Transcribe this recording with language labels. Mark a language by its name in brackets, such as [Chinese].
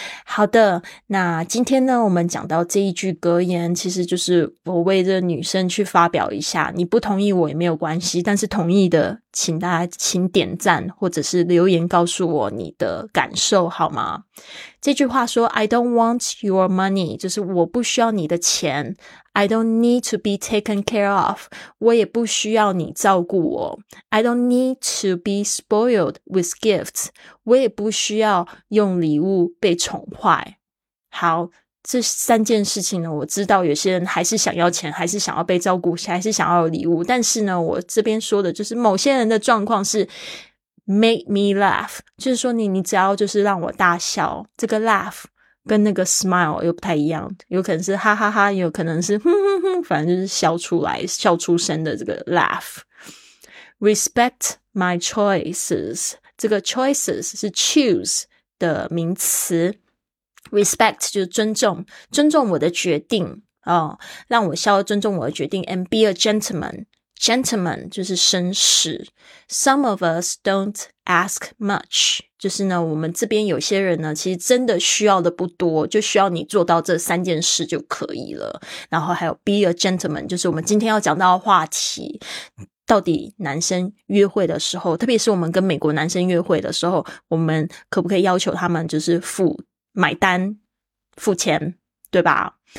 [Chinese] 好的，那今天呢我们讲到这一句格言，其实就是我为这个女生去发表一下，你不同意我也没有关系，但是同意的请大家请点赞或者是留言告诉我你的感受好吗？这句话说 [English] I don't want your money， [Chinese] 就是我不需要你的钱。 [English] I don't need to be taken care of， [Chinese] 我也不需要你照顾我。 [English] I don't need to be spoiled with gifts， [Chinese] 我也不需要用礼物被宠坏。好，这三件事情呢，我知道有些人还是想要钱，还是想要被照顾，还是想要有礼物。但是呢，我这边说的就是某些人的状况是 [English] make me laugh， [Chinese] 就是说你只要就是让我大笑，这个 laugh 跟那个 smile 又不太一样，有可能是哈哈哈，有可能是哼哼哼，反正就是笑出来，笑出声的这个 laugh。 [English] Respect my choices， [Chinese] 这个 choices 是 choose 的名词。 Respect 就是尊重，尊重我的决定哦，让我笑，尊重我的决定。 [English] And be a gentleman， gentleman [Chinese] 就是绅士。 [English] Some of us don't ask much， [Chinese] 就是呢，我们这边有些人呢，其实真的需要的不多，就需要你做到这三件事就可以了。然后还有 [English] be a gentleman， [Chinese] 就是我们今天要讲到的话题。到底男生约会的时候，特别是我们跟美国男生约会的时候，我们可不可以要求他们就是付买单付钱，对吧？